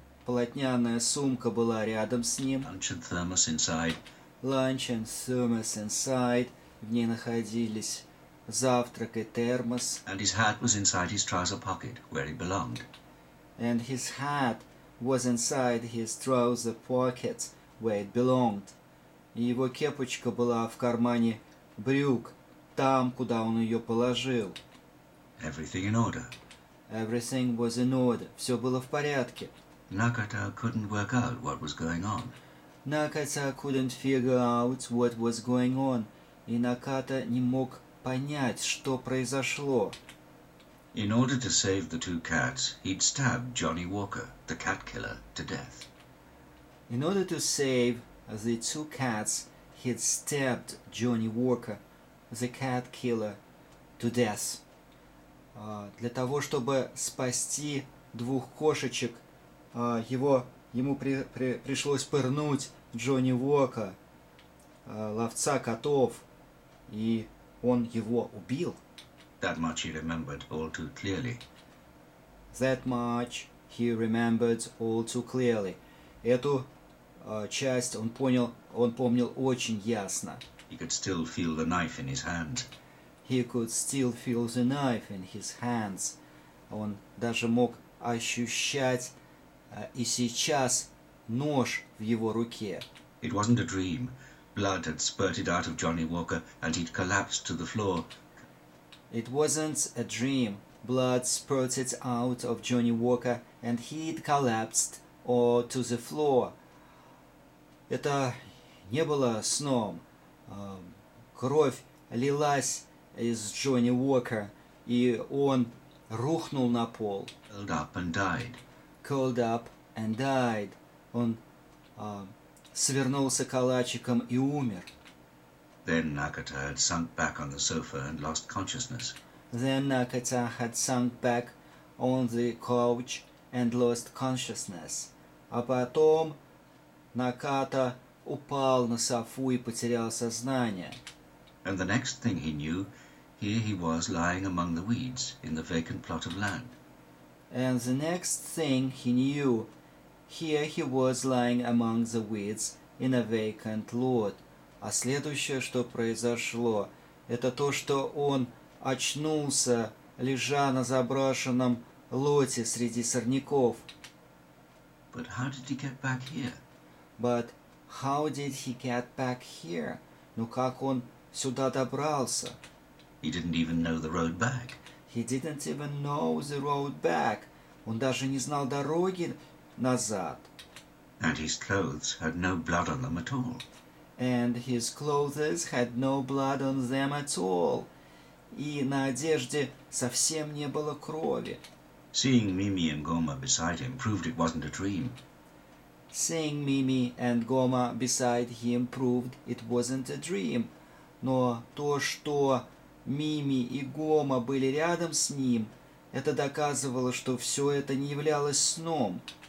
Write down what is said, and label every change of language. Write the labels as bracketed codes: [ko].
[ru] Полотняная сумка была рядом с ним. [en] Lunch and thermos inside. Lunch and thermos inside. [ru] В ней находились завтрак и термос. [en] And his hat was inside his trouser pocket, where it belonged. And his hat was inside his trouser pocket, where it belonged. [ru] И его кепочка была в кармане брюк, там, куда он ее положил. [en] Everything in order. Everything was in order. [ru] Все было в порядке. [en] Nakata couldn't work out what was going on. Nakata couldn't figure out what was going on. [ru] И Наката не мог понять, что произошло. [en] In order to save the two cats, he'd stabbed Johnny Walker, the cat killer, to death. In order to save the two cats, he'd stabbed Johnny Walker, the cat killer, to death. [ru] Для того, чтобы спасти двух кошечек, ему пришлось пырнуть Джонни Уока, ловца котов, и он его убил. [en] That much he remembered all too clearly. That much he remembered all too clearly. [ru] Эту часть он помнил очень ясно. [en] He could still feel the knife in his hand. He could still feel the knife in his hands. [ru] Он даже мог ощущать и сейчас нож в его руке. [en] It wasn't a dream. Blood had spurted out of Johnny Walker and he'd collapsed to the floor. It wasn't a dream. Blood spurted out of Johnny Walker and he'd collapsed to the floor. [ru] Это не было сном. Кровь лилась из Джонни Уока, и он рухнул на пол. [en] Curled up and died. Curled up and died. [ru] Он свернулся калачиком и умер. [en] Then Nakata had sunk back on the sofa and lost consciousness. Then Nakata had sunk back on the couch and lost consciousness. [ru] А потом Наката упал на софу и потерял сознание. [en] And the next thing he knew, here he was lying among the weeds in the vacant plot of land. And the next thing he knew, here he was lying among the weeds in a vacant lot. [ru] А следующее, что произошло, это то, что он очнулся, лежа на заброшенном лоте среди сорняков. [en] But how did he get back here? But how did he get back here? [ru] Ну как он сюда добрался? [en] He didn't even know the road back. He didn't even know the road back. [ru] Он даже не знал дороги назад. [en] And his clothes had no blood on them at all. And his clothes had no blood on them at all. [ru] И на одежде совсем не было крови. [en] Seeing Mimi and Goma beside him proved it wasn't a dream. Seeing Mimi and Goma beside him proved it wasn't a dream. [ru] Но то, что Мими и Гома были рядом с ним, это доказывало, что все это не являлось сном.